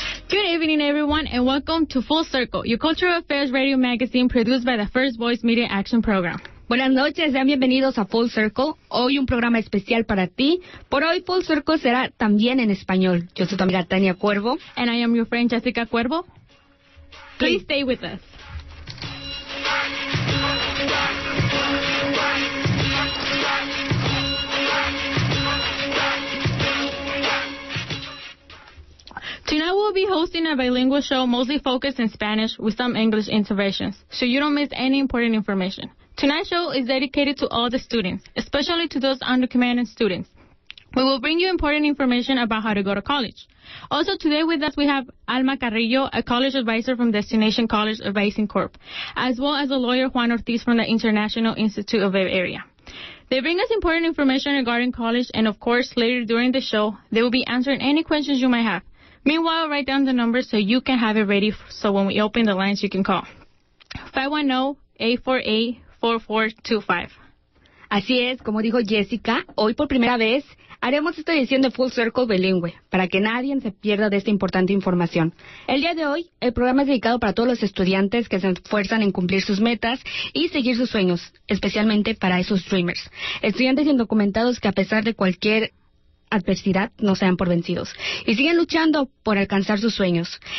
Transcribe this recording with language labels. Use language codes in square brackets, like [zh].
[en] Good evening, everyone, and welcome to Full Circle, your cultural affairs radio magazine produced by the First Voice Media Action Program. [es] Buenas noches, sean bienvenidos a Full Circle. Hoy un programa especial para ti. Por hoy, Full Circle será también en español. Yo soy tu amiga Tania Cuervo. [en] And I am your friend Jessica Cuervo. Please stay with us. Tonight we'll be hosting a bilingual show mostly focused in Spanish with some English interventions, so you don't miss any important information. Tonight's show is dedicated to all the students, especially to those undocumented students. We will bring you important information about how to go to college. Also today with us we have Alma Carrillo, a college advisor from Destination College Advising Corp, as well as a lawyer Juan Ortiz from the International Institute of Bay Area. They bring us important information regarding college, and of course, later during the show, they will be answering any questions you might have. Meanwhile, write down the number so you can have it ready so when we open the lines, you can call. 510-848-4425. [es] Así es, como dijo Jessica, hoy por primera vez haremos esta edición de Full Circle Bilingüe para que nadie se pierda de esta importante información. El día de hoy, el programa es dedicado para todos los estudiantes que se esfuerzan en cumplir sus metas y seguir sus sueños, especialmente para esos dreamers, estudiantes indocumentados que a pesar de cualquier adversidad no sean por vencidos y siguen luchando por alcanzar sus sueños.